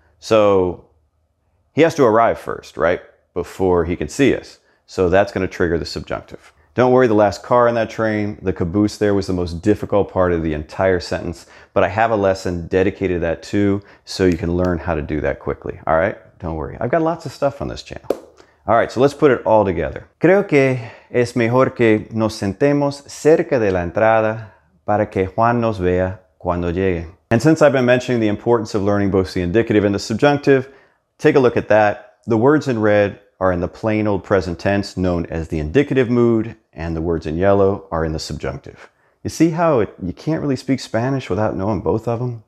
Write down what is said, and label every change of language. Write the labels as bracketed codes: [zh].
[en] So he has to arrive first, right? Before he can see us. So that's going to trigger the subjunctive. Don't worry, the last car in that train, the caboose there, was the most difficult part of the entire sentence, but I have a lesson dedicated to that too, so you can learn how to do that quickly. All right? Don't worry. I've got lots of stuff on this channel. All right, so let's put it all together. [es] Creo que es mejor que nos sentemos cerca de la entrada para que Juan nos vea cuando llegue. [en] And since I've been mentioning the importance of learning both the indicative and the subjunctive, take a look at that. The words in red are in the plain old present tense known as the indicative mood, and the words in yellow are in the subjunctive. You see how you can't really speak Spanish without knowing both of them?